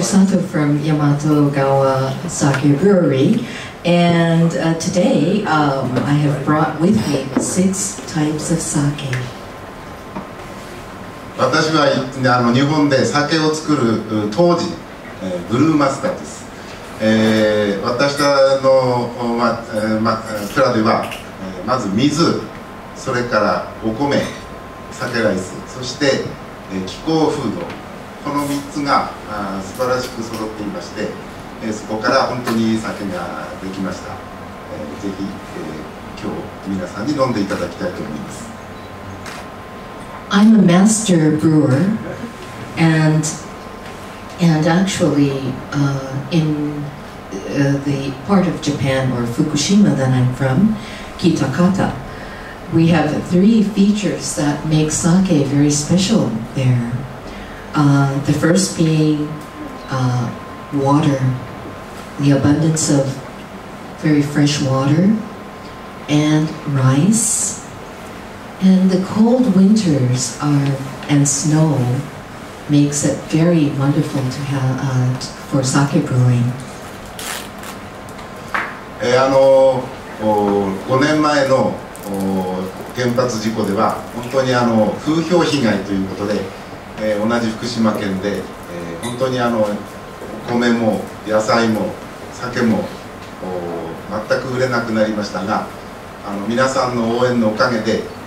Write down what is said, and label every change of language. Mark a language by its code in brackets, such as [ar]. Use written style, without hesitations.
[en] Sato from Yamatogawa Sake Brewery, and today I have brought with me six types of sake. [ja] 私は日本で酒を作る当時、ブルーマスターです。私たちの、蔵では、まず水、それからお米、酒ライス、そして、気候風土、この3つが素晴らしく揃っていまして、そこから本当にいい酒ができました。ぜひ、今日皆さんに飲んでいただきたいと思います。 [en] I'm a master brewer, and actually in the part of Japan or Fukushima that I'm from, Kitakata, we have three features that make sake very special there. The first being water, the abundance of very fresh water, and rice. And the cold winters and snow makes it very wonderful to have for sake brewing. [ja] 5年前の原発事故では本当に風評被害ということで、同じ福島県で、本当にお米も野菜も酒も全く売れなくなりましたが、皆さんの応援のおかげで。